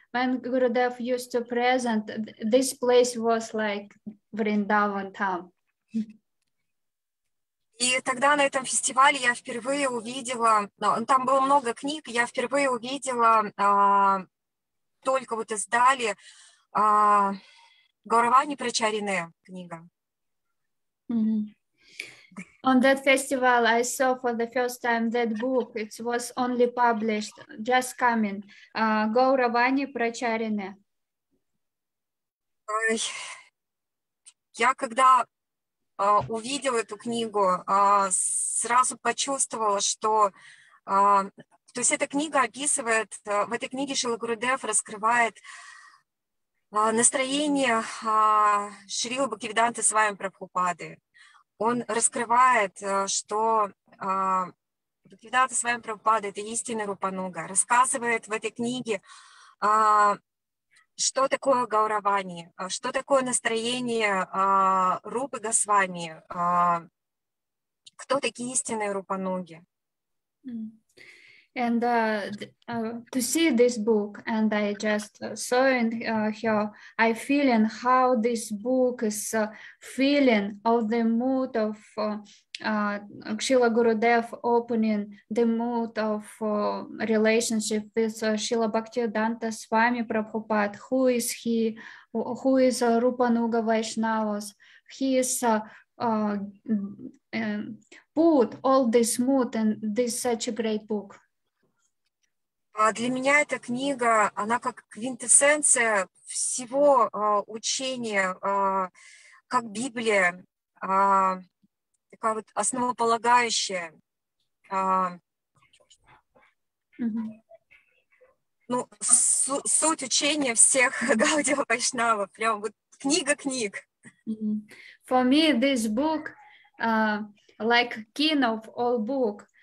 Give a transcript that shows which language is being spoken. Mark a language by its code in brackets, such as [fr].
[en] When Gurudev used to present, this place was like Vrindavan town. [ru] И тогда на этом фестивале я впервые увидела, там было много книг, я впервые увидела только вот издали Гауравани Прачарине книга. Mm-hmm. [en] On that festival I saw for the first time that book. It was only published, just coming. Гауравани Прачарине. [ru] Я когда увидела эту книгу, сразу почувствовала, что... то есть эта книга описывает... в этой книге Шрила Гурудев раскрывает... настроение Шрилы Бхактивиданты с вами Прабхупады. Он раскрывает, что Бхактивиданты с вами Прабхупады — это истинный Рупануга. Рассказывает в этой книге, что такое Гауравани, что такое настроение Рупы Госвами, кто такие истинные Рупануги. [en] And to see this book, and I just saw in here, I feel in how this book is feeling of the mood of Srila Gurudev, opening the mood of relationship with Srila Bhaktivedanta Swami Prabhupada. Who is he? Who is Rupanuga Vaishnavas? He is put all this mood in this such a great book. [ru] Для меня эта книга, она как квинтэссенция всего учения, как Библия, такая вот основополагающая. Ну, суть учения всех Гаудия Вайшнава, прям вот книга книг. [en] For me, this book, like king of all book.